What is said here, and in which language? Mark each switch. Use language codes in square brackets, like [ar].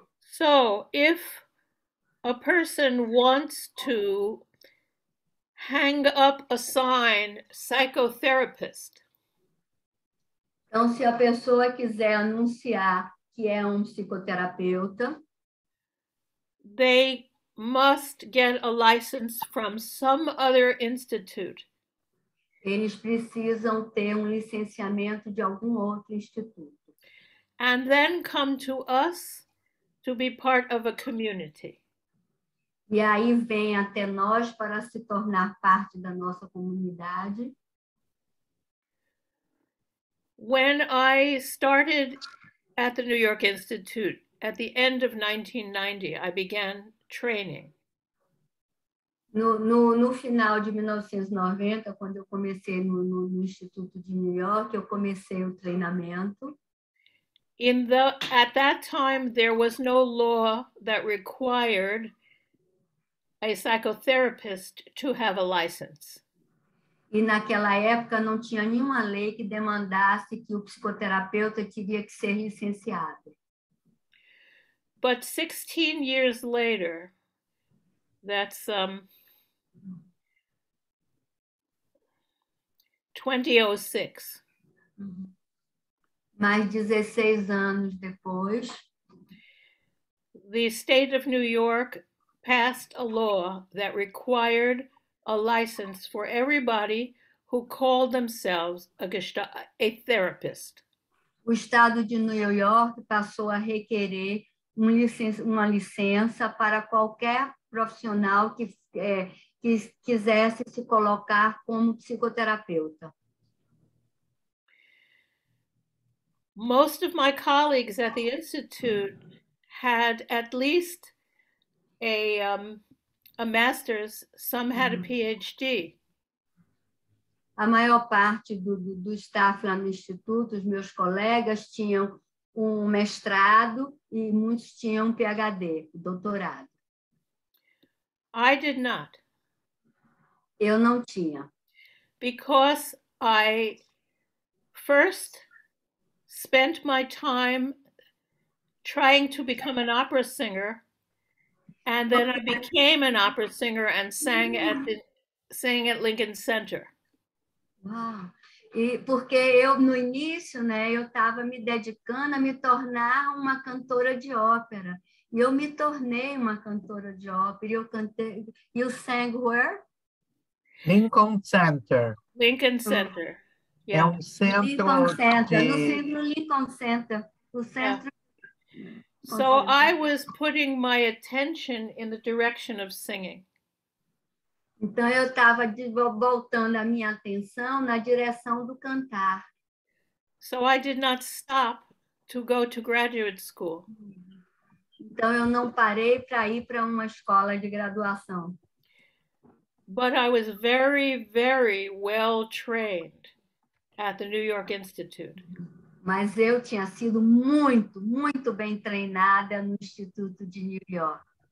[en] So, if a person wants to hang up a sign, psychotherapist. [pt] Então, se a pessoa quiser anunciar que é um psicoterapeuta, [en] they must get a license from some other institute. [pt] Eles precisam ter um licenciamento de algum outro instituto. [en] And then come to us to be part of a community. [pt] E aí vem até nós para se tornar parte da nossa comunidade. [en] When I started at the New York Institute, at the end of 1990, I began training. [pt] No final de 1990, quando eu comecei no Instituto de New York, eu comecei o treinamento. [en] At that time, there was no law that required a psychotherapist to have a license. [pt] E naquela época não tinha nenhuma lei que demandasse que o psicoterapeuta teria que ser licenciado. [en] But 16 years later, that's 2006. [pt] Mais 16 anos depois, [en] the state of New York passed a law that required a license for everybody who called themselves a therapist. [pt] O estado de New York passou a requerer uma licença para qualquer profissional que quisesse se colocar como psicoterapeuta. [en] Most of my colleagues at the Institute had at least a master's, some had a PhD. [pt] A maior parte do staff lá no Instituto, os meus colegas, tinham um mestrado e muitos tinham PhD, doutorado. [en] I did not. [pt] Eu não tinha. [en] Because I first spent my time trying to become an opera singer. And then I became an opera singer and sang at Lincoln Center. Wow. [pt] E porque eu no início, né, eu estava me dedicando a me tornar uma cantora de ópera. E eu me tornei uma cantora de ópera. Eu [en] sang where? Lincoln Center. Lincoln Center. Yeah. [pt] É um centro. Lincoln Center. No centro Lincoln Center. O centro. [en] Yeah. So I was putting my attention in the direction of singing. [pt] Então eu estava voltando a minha atenção na direção do cantar. [en] So I did not stop to go to graduate school. [pt] Então eu não parei para ir para uma escola de graduação. [en] But I was very, very well trained at the New York Institute. [pt] Mas eu tinha sido muito, muito bem treinada no Instituto de New York.